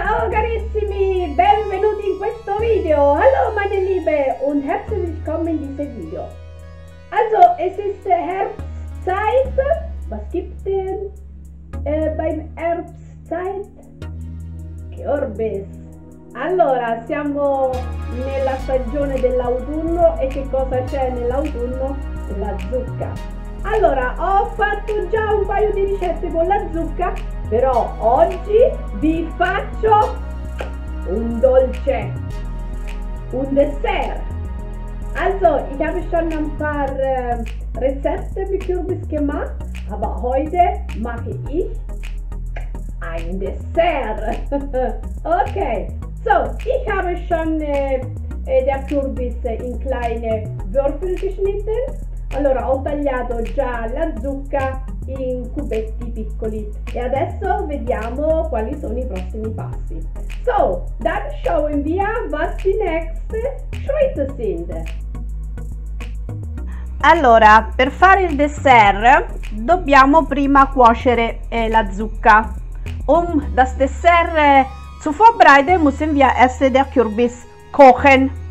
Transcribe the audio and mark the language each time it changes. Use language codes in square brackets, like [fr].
[it] carissimi, benvenuti in questo video. [de] Hallo meine Liebe und herzlich willkommen in diesem Video. Also, es ist Herbstzeit. Was gibt denn beim Herbstzeit? Kürbis. [it] Allora, siamo nella stagione dell'autunno e che cosa c'è nell'autunno? La zucca. Allora, ho fatto già un paio di ricette con la zucca, però oggi vi faccio un dolce, un dessert. [de] Also, ich habe schon ein paar Rezepte mit Kürbis gemacht, aber heute mache ich ein Dessert. Okay, so, ich habe schon der Kürbis in kleine Würfel geschnitten. [it] Allora, ho tagliato già la zucca in cubetti piccoli e adesso vediamo quali sono i prossimi passi. [de] So, dann schauen wir, was die nächsten Schritte sind. [it] Allora, per fare il dessert dobbiamo prima cuocere la zucca. [de] Um das Dessert zu vorbereiten, müssen wir erst der Kürbis kochen.